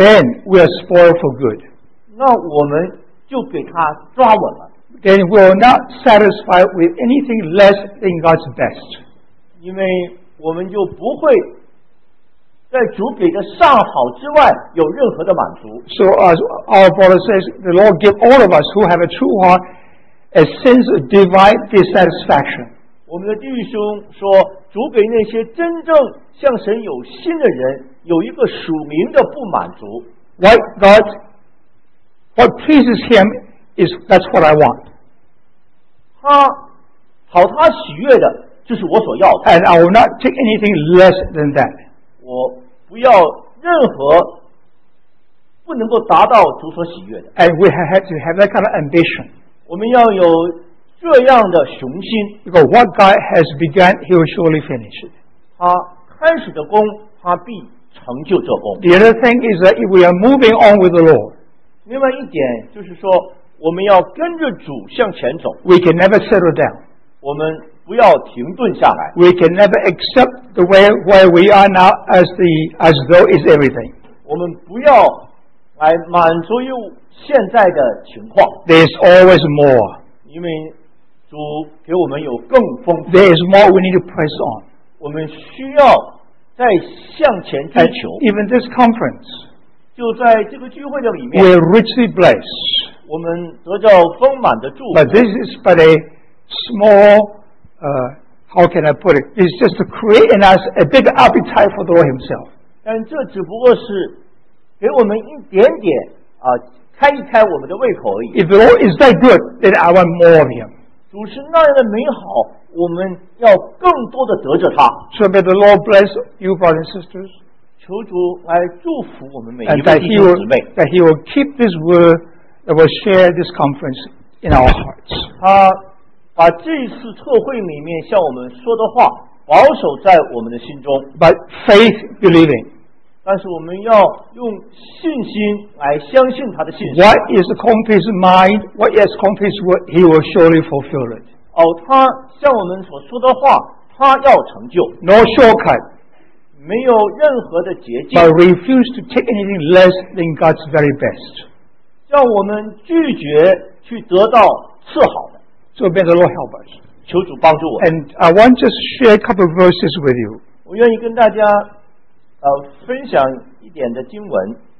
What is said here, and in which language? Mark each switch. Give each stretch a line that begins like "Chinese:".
English: then we are spoiled for good.
Chinese: 那我们就给他抓稳了。
English: Then we are not satisfied with anything less than God's best.
Chinese: 因为我们就不会在主给的上好之外有任何的满足。
English: So as our brother says, the Lord give all of us who have a true heart a sense of divine dissatisfaction.
Chinese: 我们的弟兄说，主给那些真正向神有心的人有一个属灵的不满足。
English: What God, what pleases Him is that's what I want.
Chinese: 他讨他喜悦的。就是我所要的。
English: And I will not take anything less than that.
Chinese: 我不要任何不能够达到主所喜悦的。
English: And we have to have that kind of ambition.
Chinese: 我们要有这样的雄心。
English: Because what God has begun, He will surely finish it.
Chinese: 他开始的工，他必成就这工。
English: The other thing is that if we are moving on with the Lord.
Chinese: 另外一点就是说，我们要跟着主向前走。
English: We can never settle down.
Chinese: 我们不要停顿下来。
English: We can never accept the way where we are now as though it's everything.
Chinese: 我们不要来满足于现在的情况。
English: There's always more.
Chinese: 因为主给我们有更丰富。
English: There's more we need to press on.
Chinese: 我们需要再向前追求。
English: And even this conference,
Chinese: 就在这个聚会的里面。
English: We're richly blessed.
Chinese: 我们得到丰满的祝福。
English: But this is but a small. How can I put it? It's just to create in us a big appetite for the Lord Himself.
Chinese: 但这只不过是给我们一点点啊，开一开我们的胃口而已。
English: If the Lord is that good, then I want more of Him.
Chinese: 主是那样的美好，我们要更多的得着他。
English: So may the Lord bless you, brothers and sisters.
Chinese: 求主来祝福我们每一位弟兄姊妹。
English: That He will keep this word that will share this conference in our hearts.
Chinese: 他把这次特会里面向我们说的话保守在我们的心中。
English: By faith believing.
Chinese: 但是我们要用信心来相信他的信心。
English: What is the complete mind? What is complete word? He will surely fulfill it.
Chinese: 哦，他向我们所说的话，他要成就。
English: No shortcut.
Chinese: 没有任何的捷径。
English: But refuse to take anything less than God's very best.
Chinese: 叫我们拒绝去得到赐好的。
English: So may the Lord help us.
Chinese: 求主帮助我。
English: And I want to share a couple of verses with you.
Chinese: 我愿意跟大家分享一点的经文。